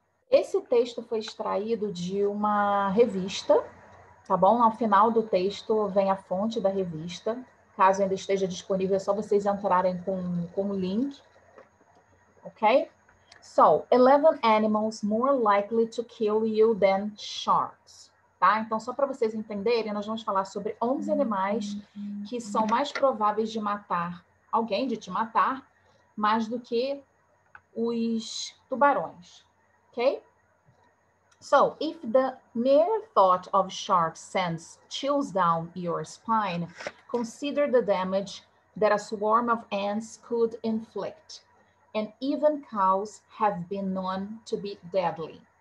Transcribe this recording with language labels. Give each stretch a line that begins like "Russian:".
Portuguese: Esse texto foi extraído de uma revista, tá bom? Ao final do texto vem a fonte da revista. Caso ainda esteja disponível, é só vocês entrarem com o link. Ok?
English: So, 11 animals more likely to kill you than sharks.
Portuguese: Tá? Então, só para vocês entenderem, nós vamos falar sobre 11 animais que são mais prováveis de matar alguém, de te matar, mais do que os tubarões. Ok?
English: So, if the mere thought of shark sense chills down your spine, consider the damage that a swarm of ants could inflict. And even cows have been known to be deadly.